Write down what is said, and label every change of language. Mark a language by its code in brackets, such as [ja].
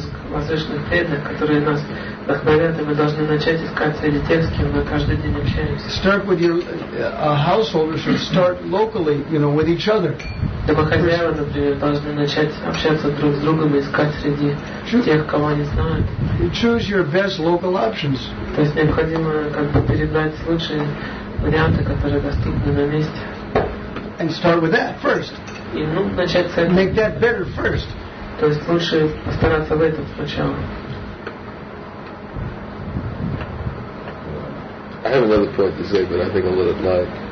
[ru] Возвышенных преданных, которые нас вдохновляют, и мы должны начать искать среди тех, с кем мы каждый день общаемся. [en] Start with your householder should start locally, you know, with each other. [ru] Домохозяева, например, должны начать общаться друг с другом и искать среди тех, кого они знают. [en] You choose your best local options. [ru] То есть необходимо как бы перебрать лучшие варианты, которые доступны на месте. [en] And start with that first. [ru] И ну, начать с этого. [en] Make that better first. [ru] То есть лучше постараться в этом сначала. [en] I have another point to say, but I think I'll let it lie.